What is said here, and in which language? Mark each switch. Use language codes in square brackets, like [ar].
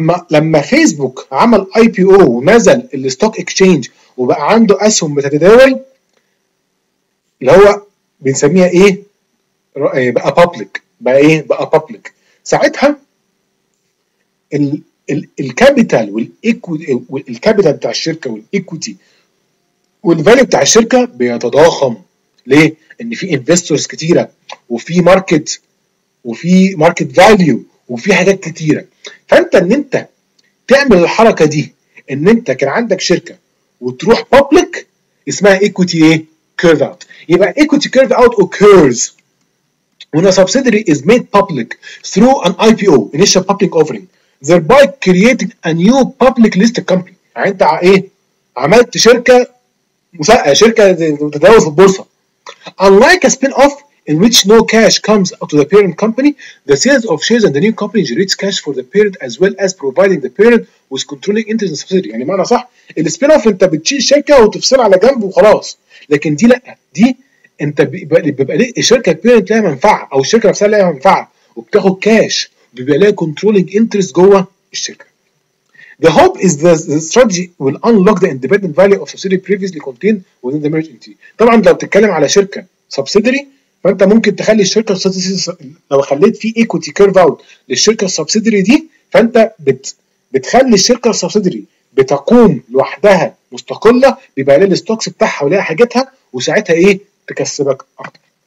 [ar] لما فيسبوك عمل IPO ونزل الستوك اكشينج وبقى عنده اسهم بتتداول، اللي هو بنسميها ايه، بقى بابليك، بقى ايه، بقى بابليك، ساعتها الكابيتال والكابيتال بتاع الشركه والايكويتي والفاليو بتاع الشركه بيتضاخم. ليه؟ ان في انفستورز كتيره وفي ماركت فاليو وفي حاجات كتيره. فانت ان انت تعمل الحركة دي، ان انت كان عندك شركة وتروح public، اسمها equity curve out. [en] يبقى equity curve out occurs when a subsidiary is made public through an IPO initial public offering thereby creating a new public listed company. [ar] يعني انت عملت شركة تتداول في البورصة. [en] Unlike a spin-off in which no cash comes out to the parent company, the sales of shares in the new company generates cash for the parent as well as providing the parent with controlling interest in the subsidiary. [ar] يعني معنى صح، السبين اوف انت بتشيل شركه وتفصل على جنب وخلاص، لكن دي لا، دي انت بيبقى ليه الشركه البيرنت لها منفعه او الشركه نفسها لها منفعه وبتاخد كاش، بيبقى لها controlling interest جوه الشركه. [en] The hope is the strategy will unlock the independent value of subsidiary previously contained within the merged entity. [ar] طبعا لو بتتكلم على شركه subsidiary، فانت ممكن تخلي الشركه لو خليت في ايكويتي كيرف اوت للشركه السبسيدري دي، فانت بتخلي الشركه السبسيدري بتقوم لوحدها مستقله، بيبقى لها الستوكس بتاعها ولها حاجتها، وساعتها ايه تكسبك اكتر.